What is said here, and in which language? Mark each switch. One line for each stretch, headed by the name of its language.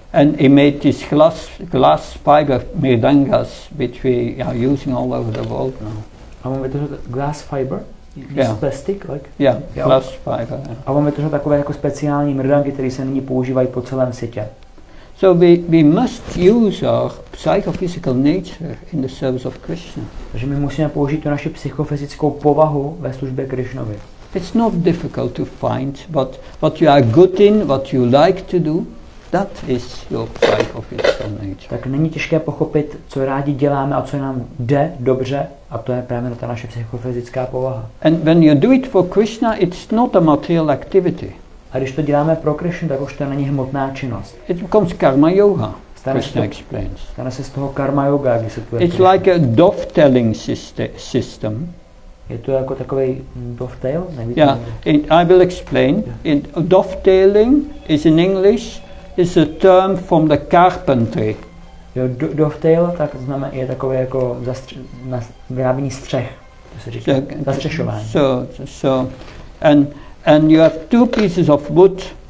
English: And he made this glass fiber mridangas, which we are using all over the world now.
Czech: A on vytvořil
English: glass fiber? Plastic, like? Yeah, glass fiber. Yeah.
Czech: A on vytvořil takové jako speciální mridangy, které se nyní používají po celém světě.
English: So we must use our psychophysical nature in the service of Krishna.
Czech: Takže my musíme použít tu naši psychofyzickou povahu ve službě Krishnovi.
English: It's not difficult to find what you are good in, what you like to do. That is your psychophysical nature.
Czech: Tak není těžké pochopit, co rádi děláme a co nám jde dobře, a to je právě ta naše psychofyzická povaha.
English: And when you do it for Krishna, it's not a material activity.
Czech: A když to děláme pro Krishnu, tak už to není hmotná činnost.
English: It becomes karma yoga. Krishna explains.
Czech: Stane se z toho karma yoga, když se to.
English: It's like a dovetailing system.
Czech: Je to jako takový dovetail?
English: I will explain. Yeah. Dovetailing is in English. Is a term from the carpentry.
Czech: Jo, dovetail, tak znamená je takový jako vyrábění střech. Zastřešování.
English: So. And you have two pieces of wood.